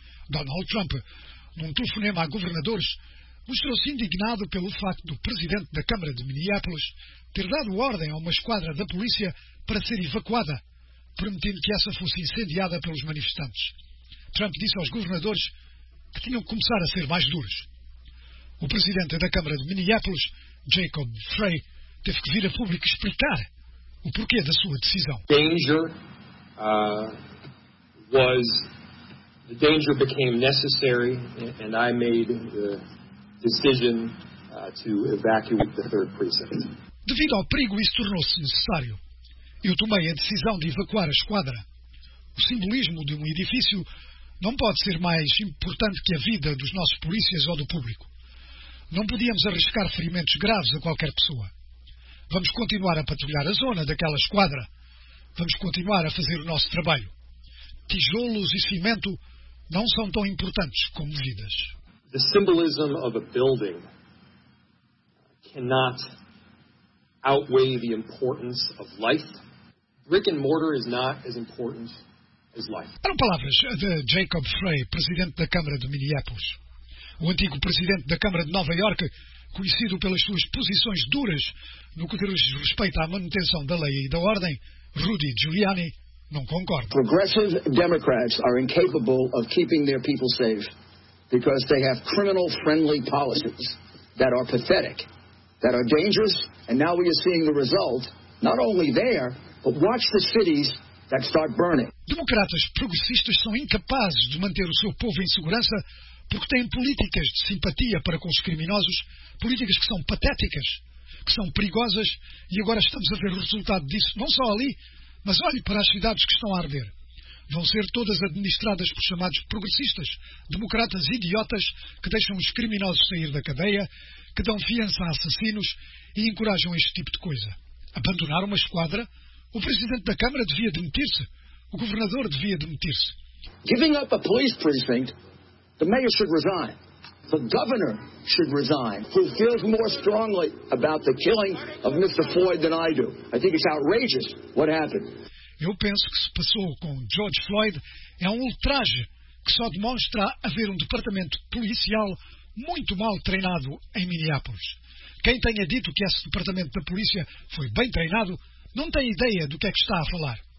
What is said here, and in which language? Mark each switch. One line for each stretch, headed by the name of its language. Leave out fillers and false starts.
Portuguese: Donald Trump, num telefonema a governadores, mostrou-se indignado pelo facto do presidente da Câmara de Minneapolis ter dado ordem a uma esquadra da polícia para ser evacuada, permitindo que essa fosse incendiada pelos manifestantes. Trump disse aos governadores que tinham que começar a ser mais duros. O presidente da Câmara de Minneapolis, Jacob Frey, teve que vir a público explicar o porquê da sua decisão.
English: Danger was the danger became necessary and I made the decision to evacuate the third precinct.
Portuguese: Devido ao perigo, isso tornou-se necessário. Eu tomei a decisão de evacuar a esquadra. O simbolismo de um edifício não pode ser mais importante que a vida dos nossos polícias ou do público. não podíamos arriscar ferimentos graves a qualquer pessoa. Vamos continuar a patrulhar a zona daquela esquadra. Vamos continuar a fazer o nosso trabalho. Tijolos e cimento não são tão importantes como vidas.
English: The symbolism of a building cannot outweigh the importance of life. Brick and mortar is not as important as life.
Portuguese: Eram palavras de Jacob Frey, presidente da Câmara de Minneapolis. O antigo presidente da Câmara de Nova York, conhecido pelas suas posições duras no que diz respeito à manutenção da lei e da ordem, Rudy Giuliani, não concorda.
English: Progressive Democrats are incapable of keeping their people safe because they have criminal-friendly policies that are pathetic, that are dangerous, and now we are seeing the result, not only there, but watch the cities that start burning.
Portuguese: Democratas progressistas são incapazes de manter o seu povo em segurança porque têm políticas de simpatia para com os criminosos, políticas que são patéticas, que são perigosas, e agora estamos a ver o resultado disso, não só ali, mas olhe para as cidades que estão a arder. Vão ser todas administradas por chamados progressistas, democratas idiotas que deixam os criminosos sair da cadeia, que dão fiança a assassinos e encorajam este tipo de coisa. Abandonar uma esquadra? O presidente da Câmara devia demitir-se. O governador devia demitir-se.
English: Giving up a police precinct, the mayor should resign. The governor should resign, who feels more strongly about the killing of Mr. Floyd than I do. I think it's outrageous what happened.
Portuguese: Eu penso que se passou com George Floyd é um ultraje que só demonstra haver um departamento policial muito mal treinado em Minneapolis. Quem tenha dito que esse departamento da polícia foi bem treinado não tem ideia do que é que está a falar.